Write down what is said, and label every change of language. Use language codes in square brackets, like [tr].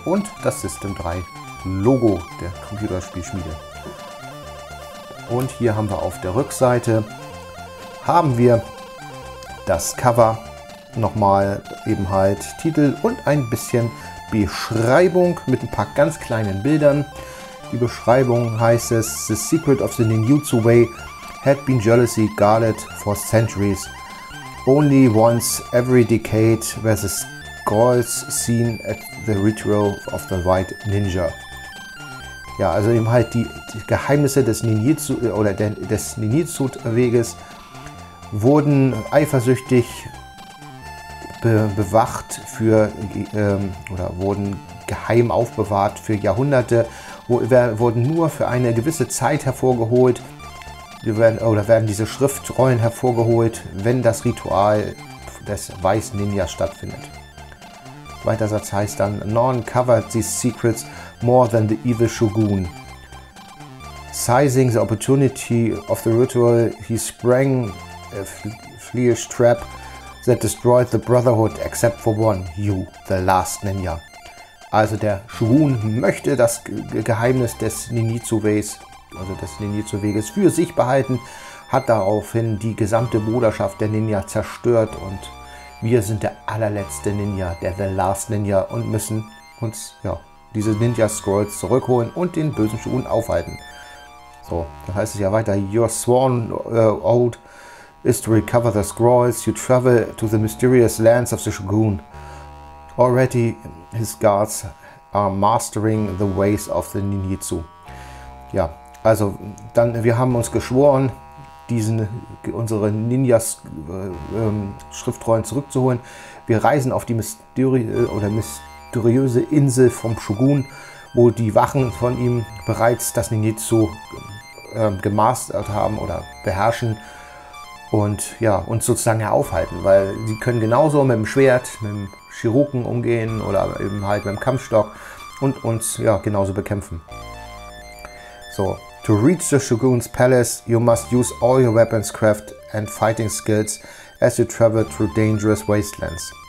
[de] Und das System 3 Logo der Computerspielschmiede. Und hier haben wir auf der Rückseite, haben wir das Cover, nochmal eben halt Titel und ein bisschen Beschreibung mit ein paar ganz kleinen Bildern. Die Beschreibung heißt es: [en] The secret of the Ninjutsu way had been jealously guarded for centuries. Only once every decade were the skulls seen at the ritual of the white ninja. [de] Ja, also eben halt die Geheimnisse des Ninjutsu oder des Ninjutsu-Weges wurden eifersüchtig bewacht für oder wurden geheim aufbewahrt für Jahrhunderte, wurden nur für eine gewisse Zeit hervorgeholt. Werden diese Schriftrollen hervorgeholt, wenn das Ritual des weißen Ninjas stattfindet. Weiter Satz heißt dann: [en] No one covered these secrets more than the evil Shogun. Seizing the opportunity of the ritual, he sprang a fleeish trap that destroyed the Brotherhood except for one, you, the last Ninja. [de] Also der Shogun möchte das Geheimnis des Ninjutsu-Ways, also des Ninjutsu-Weges, für sich behalten, hat daraufhin die gesamte Bruderschaft der Ninja zerstört, und wir sind der allerletzte Ninja, der The Last Ninja, und müssen uns diese Ninja-Scrolls zurückholen und den bösen Shogun aufhalten. So, dann heißt es ja weiter: [en] Your sworn oath is to recover the scrolls. You travel to the mysterious lands of the Shogun. Already his guards are mastering the ways of the Ninjutsu. [de] Ja, also dann, wir haben uns geschworen, unsere Ninjas-Schriftrollen zurückzuholen. Wir reisen auf die mysteriöse Insel vom Shogun, wo die Wachen von ihm bereits das Ninjutsu gemastert haben oder beherrschen und uns sozusagen aufhalten, weil sie können genauso mit dem Schwert, mit dem Shuriken umgehen oder eben halt mit dem Kampfstock und uns genauso bekämpfen. [en] So, to reach the Shogun's palace, you must use all your weapons, craft and fighting skills as you travel through dangerous wastelands.